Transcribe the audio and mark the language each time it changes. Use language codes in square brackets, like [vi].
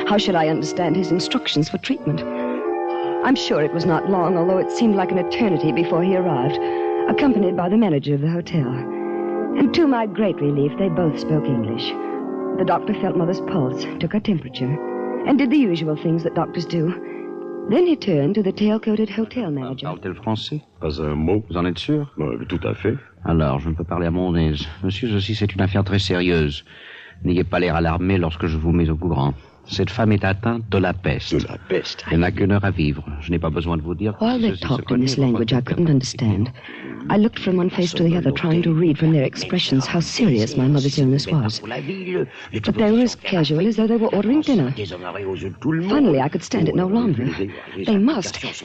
[en] How should I understand his instructions for treatment? I'm sure it was not long, although it seemed like an eternity before he arrived, accompanied by the manager of the hotel. And to my great relief, they both spoke English. The doctor felt Mother's pulse, took her temperature, and did the usual things that doctors do. Then he turned to the tail-coated hotel manager. [fr] Parle-t-elle français? Pas un mot. Vous en êtes sûr? Tout à fait. Alors, je ne peux parler à mon aise. Monsieur, ceci, c'est une affaire très sérieuse. N'ayez pas l'air alarmé lorsque je vous mets au courant. Cette femme est atteinte de la peste. De la peste. Elle n'a qu'une heure à vivre. Je n'ai pas besoin de vous dire... [en] While they talked in this language, I couldn't understand. I looked from one face to the other, trying to read from their expressions how serious my mother's illness was. But they were as casual as though they were ordering dinner. Finally, I could stand it no longer. They must.